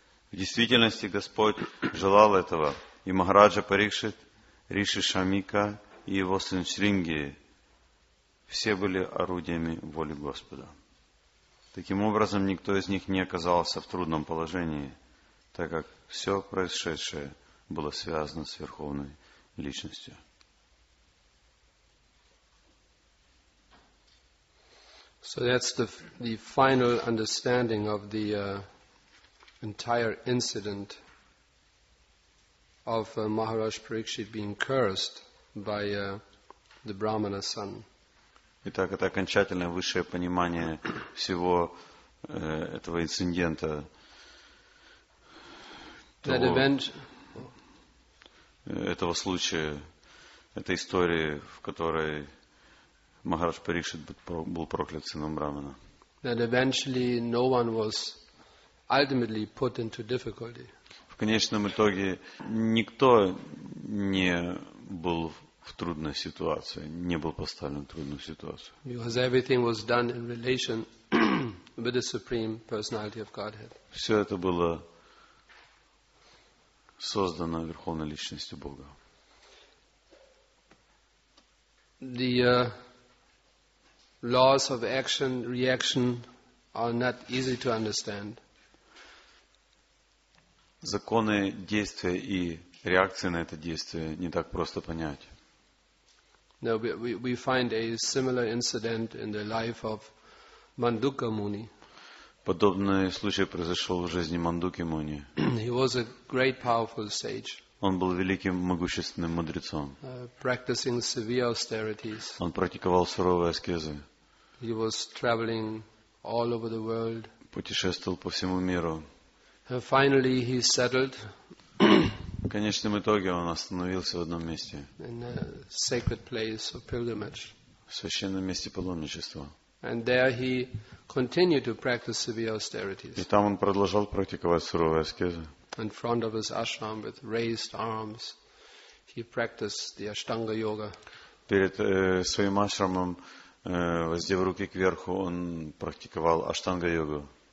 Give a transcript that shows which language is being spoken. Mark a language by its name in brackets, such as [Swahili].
[Russian] В действительности Господь желал этого, и Махараджа Парикшит, Риши Шамика и его сын Шринги все были орудиями воли Господа. Таким образом, никто из них не оказался в трудном положении, так как все происшедшее было связано с Верховной Личностью. [English] So that's the final understanding of the entire incident of Maharaj Parikshit being cursed by the Brahmana son. [Russian] Итак, это окончательное высшее понимание всего этого инцидента. Этого случая, этой истории, в которой Махарадж Парикшит был проклят сыном брамана. [English] That eventually no one was ultimately put into difficulty. [Russian] В конечном итоге никто не был в трудной ситуации, не был поставлен в трудную ситуацию. [English] Because everything was done in relation with the Supreme Personality of Godhead. [Russian] Все это было создано Верховной Личностью Бога. [English] The laws of action, reaction are not easy to understand. [Russian] Законы действия и реакции на это действие не так просто понять. [English] Now we find a similar incident in the life of Mandukya Muni. [Russian] Подобный случай произошел в жизни Мандуки Муни. [English] He was a great powerful sage. [Russian] Он был великим могущественным мудрецом. [English] Practicing severe austerities. [Russian] Он практиковал суровые аскезы. [English] He was traveling all over the world. [Russian] Путешествовал по всему миру. [English] Finally he settled. [Russian] В конечном итоге он остановился в одном месте. [English] In a sacred place of pilgrimage. [Russian] В священном месте паломничества. [English] And there he continued to practice severe austerities. [Russian] И там он продолжал практиковать суровые аскезы. [English] In front of his ashram with raised arms, he practiced the Ashtanga yoga. [Russian] Перед своим ашрамом, воздев руки кверху, он практиковал Аштанга йогу.